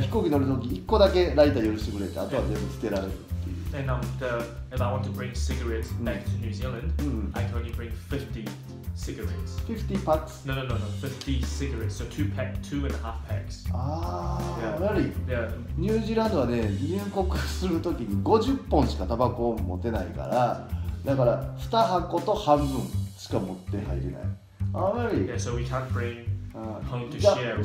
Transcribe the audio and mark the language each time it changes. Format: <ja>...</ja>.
<ja>飛行機乗るとき1個だけライター許してくれて、あとは全部捨てられる。</ja> <en>And if I want to bring cigarettes back to New Zealand, I can only bring 50 cigarettes. 50 packs? No, 50 cigarettes, so two and a half packs. Ah, yeah. Really? Yeah.</en> <ja>New Zealand はね、入国するときに50本しかタバコを持てないから、だから2箱と半分しか持って入れない。</ja> <en>Ah, really? Yeah, so we can't bring home to share with</en>